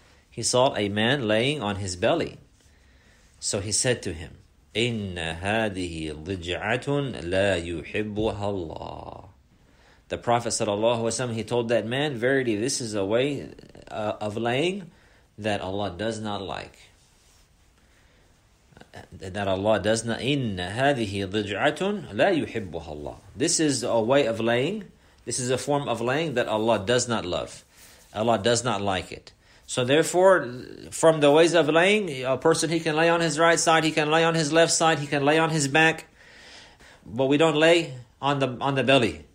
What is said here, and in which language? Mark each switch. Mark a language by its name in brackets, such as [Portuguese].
[English] He saw a man laying on his belly. So he said to him, [Arabic] إِنَّ هَذِهِ ضِجْعَةٌ لَا يُحِبُّهَا اللَّهِ. [English] The Prophet sallallahu alayhi wa sallam, he told that man, verily this is a way of laying that Allah does not like. That Allah does not, [Arabic] إِنَّ هَذِهِ ضِجْعَةٌ لَا يُحِبُّهَا اللَّهِ. [English] This is a way of laying, this is a form of laying that Allah does not love. Allah does not like it. So therefore, from the ways of laying, a person, he can lay on his right side, he can lay on his left side, he can lay on his back, but we don't lay on the belly.